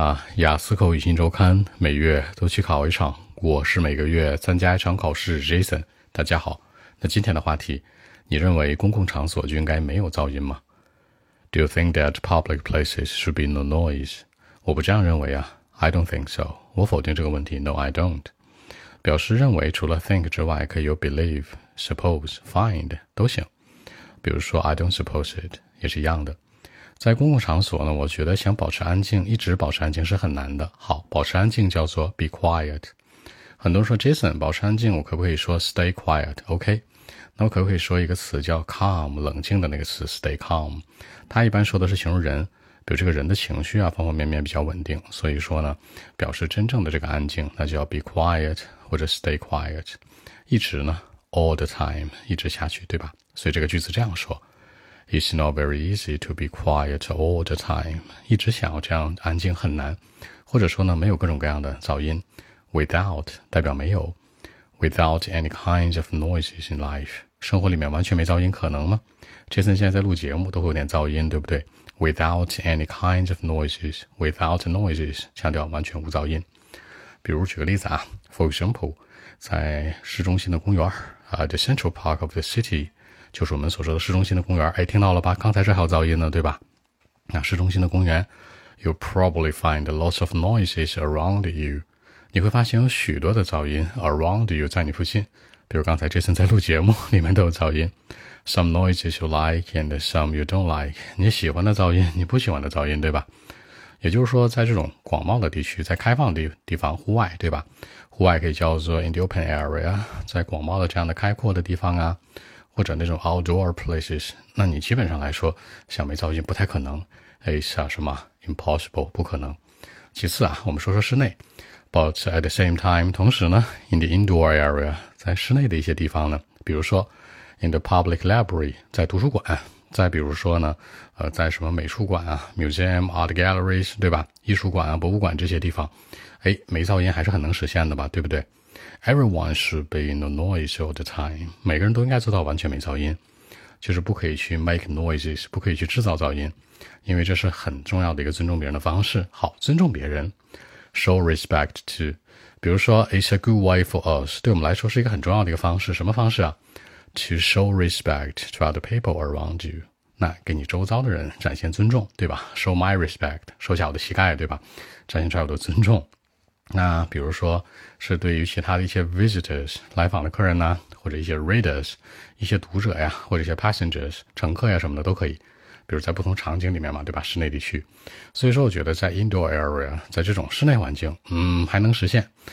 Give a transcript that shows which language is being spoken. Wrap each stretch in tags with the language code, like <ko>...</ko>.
<zh>啊，雅思口语新周刊每月都去考一场，我是每个月参加一场考试 Jason。大家好，那今天的话题，你认为公共场所就应该没有噪音吗？</zh> <en>Do you think that public places should be no noise?</en> <zh>我不这样认为啊。</zh> <en>I don't think so.</en> <zh>我否定这个问题。</zh> <en>No, I don't.</en> <zh>表示认为除了 think 之外，可以有 believe, suppose, find 都行。比如说</zh> <en>I don't suppose it</en> <zh>也是一样的。在公共场所呢，我觉得想保持安静，一直保持安静是很难的。好，保持安静叫做 be quiet。很多人说 Jason 保持安静，我可不可以说</zh> <en>stay quiet？</en> <zh>OK， 那我可不可以说一个词叫 calm， 冷静的那个词</zh> <en>stay calm，</en> <zh>它一般说的是形容人，比如这个人的情绪啊方方面面比较稳定，所以说呢表示真正的这个安静，那就要 be quiet 或者 stay quiet， 一直呢</zh> <en>all the time，</en> <zh>一直下去，对吧？所以这个句子这样说，</zh> <en>It's not very easy to be quiet all the time.</en> <zh>一直想要这样安静很难，或者说呢，没有各种各样的噪音。 Without 代表没有。</zh> <en>Without any kinds of noises in life.</en> <zh>生活里面完全没噪音可能吗？Jason 现在在录节目都会有点噪音，对不对？</zh> <en>Without any kinds of noises. Without noises.</en> <zh>强调完全无噪音。比如举个例子啊，</zh> <en>For example,</en> <zh>在市中心的公园</zh> <en>the central park of the city.</en> <zh>就是我们所说的市中心的公园，哎，听到了吧？刚才这还有噪音呢，对吧？那市中心的公园</zh> <en>，You probably find lots of noises around you.</en> <zh>你会发现有许多的噪音</zh> <en>around you</en> <zh>在你附近。比如刚才 Jason 在录节目，里面都有噪音。</zh> <en>Some noises you like and some you don't like.</en> <zh>你喜欢的噪音，你不喜欢的噪音，对吧？也就是说，在这种广袤的地区，在开放的地方，户外，对吧？户外可以叫做</zh> <en>in the open area，</en> <zh>在广袤的这样的开阔的地方啊。或者那种</zh> <en>outdoor places，</en> <zh>那你基本上来说想没噪音不太可能， is 啊什么 impossible， 不可能。其次啊，我们说说室内，</zh> <en>but at the same time，</en> <zh>同时呢</zh> <en>in the indoor area，</en> <zh>在室内的一些地方呢，比如说</zh> <en>in the public library，</en> <zh>在图书馆，再比如说呢在什么美术馆啊 museum art galleries， 对吧，艺术馆啊博物馆这些地方，哎，没噪音还是很能实现的吧，对不对？</zh> <en>Everyone should be no noise all the time.</en> <zh>每个人都应该做到完全没噪音，就是不可以去</zh> <en>make noises，</en> <zh>不可以去制造噪音，因为这是很重要的一个尊重别人的方式。好，尊重别人</zh> <en>show respect to，</en> <zh>比如说</zh> <en>it's a good way for us，</en> <zh>对我们来说是一个很重要的一个方式。什么方式啊？</zh> <en>to show respect to other people around you，</en> <zh>那给你周遭的人展现尊重，对吧？</zh> <en>show my respect，</en> <zh>收下我的膝盖，对吧？展现出来我的尊重。那比如说是对于其他的一些 visitors， 来访的客人呢，或者一些 readers， 一些读者呀，或者一些 passengers， 乘客呀什么的都可以。比如在不同场景里面嘛，对吧？室内地区。所以说我觉得在 indoor area， 在这种室内环境，还能实现。</zh>